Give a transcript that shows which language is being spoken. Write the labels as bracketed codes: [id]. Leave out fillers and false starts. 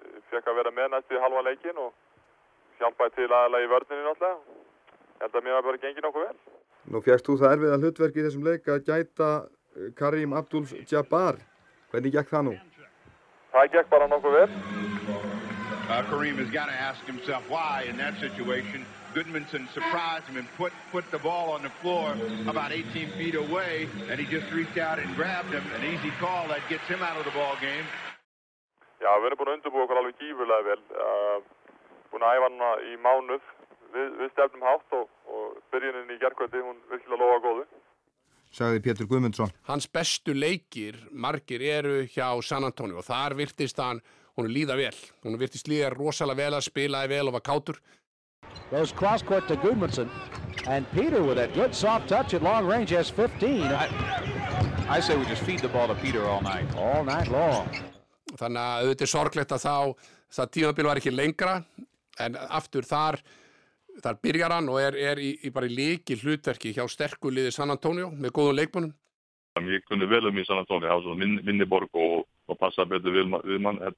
[is] Fékk að vera með næstu í hálfa leikinn og hjálpaði til aðalega í vörninni náttúrulega. Held að mér var bara gengið nokkuð vel. Nú fékkst þú það erfiða hlutverk í þessum leik að gæta Karim Abdul-Jabbar. Hvernig gekk það nú? Það gekk bara nokkuð vel. [en] Karim has got to ask himself why in that situation. Goodmanson surprised him and put the ball on the floor about 18 feet away and he just reached out and grabbed him. An easy call that gets him out of the ball game. [is] Já, við erum búin að undirbúa okkur alveg gífurlega vel. Búin að æfa hana í mánuð. Við stefnum hátt og byrjunin í gærkvöldi, hún virkilega lofa góðu. Sagði Pétur Guðmundsson. Hans bestu leikir, margir, eru hjá San Antonio og þar virtist hann, hún líða vel. Hún virtist líða rosalega vel að spila vel og var kátur. [en] Goes cross court to Goodmanson and Peter with a good soft touch at long range has 15. I say we just feed the ball to Peter all night. All night long. [is] Þannig að auðvitað sorglegt að þá það tímabil var ekki lengra en aftur þar byrjar hann og er í bara líki hlutverki hjá sterku liði San Antonio með góðum leikmönnum. Ég kunni vel í San Antonio, það var svona minni borg og passa betur við mann.